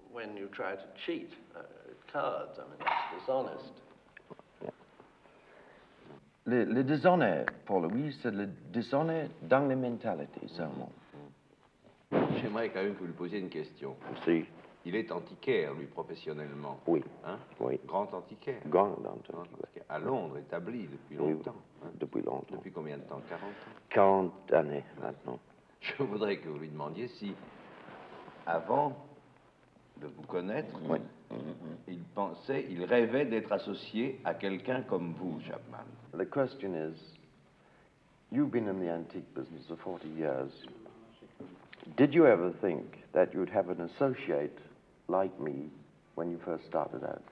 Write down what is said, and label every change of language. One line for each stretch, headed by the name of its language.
English: When you try to cheat at cards, I mean, it's dishonest.
French: Le déshonneur, pour lui, c'est le déshonneur dans les mentalités seulement. J'aimerais quand même que vous lui posiez une question. Si. Il est antiquaire, lui, professionnellement. Oui. Hein? Oui. Grand antiquaire. Grand antiquaire. À Londres, établi depuis longtemps. Hein? Depuis longtemps. Depuis combien de temps? 40 ans. 40 années maintenant. Je voudrais que vous lui demandiez si, avant de vous connaître, oui. Il pensait, il rêvait d'être associé à quelqu'un comme vous, Chapman.
English: The question is, you've been in the antique business for 40 years. Did you ever think that you'd have an associate like me when you first started out?